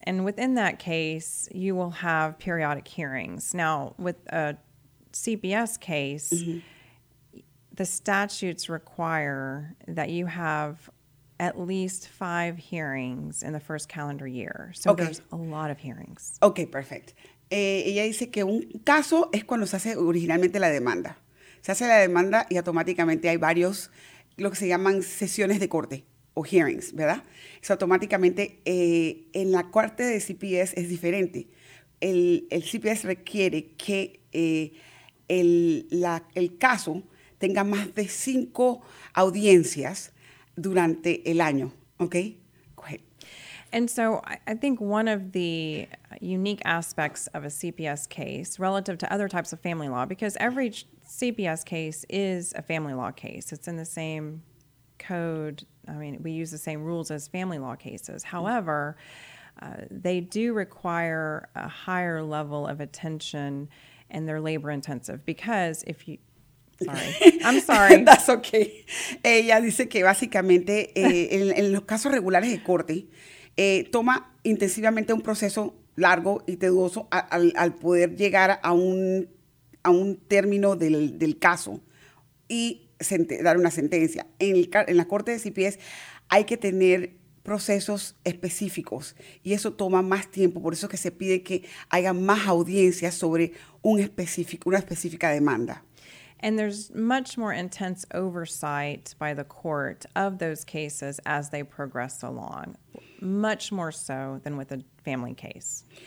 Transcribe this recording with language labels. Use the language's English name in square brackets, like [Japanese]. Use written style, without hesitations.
[English] And within that case, you will have periodic hearings. Now, with a CBS case, the statutes require that you have at least 5 hearings in the first calendar year. So there's a lot of hearings. Okay, perfect. [Spanish] Ella dice que un caso es cuando se hace originalmente la demanda. Se hace la demanda y automáticamente hay varios, lo que se llaman sesiones de corte o hearings, ¿verdad? Eso automáticamente en la corte de CPS es diferente. El CPS requiere que el caso tenga más de 5 audiencias durante el año, okay? [English] Go ahead. And so I think one of the unique aspects of a CPS case relative to other types of family law, because every CPS case is a family law case. It's in the same code. I mean, we use the same rules as family law cases. However, they do require a higher level of attention and they're labor intensive because if you... Sorry. I'm sorry. That's okay. [Spanish] Ella dice que básicamente en los casos regulares de corte toma intensivamente un proceso largo y tedioso al poder llegar a un término del caso y dar una sentencia. En la corte de CPS hay que tener procesos específicos y eso toma más tiempo. Por eso es que se pide que haya más audiencias sobre una específica demanda. [English] And there's much more intense oversight by the court of those cases as they progress along, much more so than with a family case.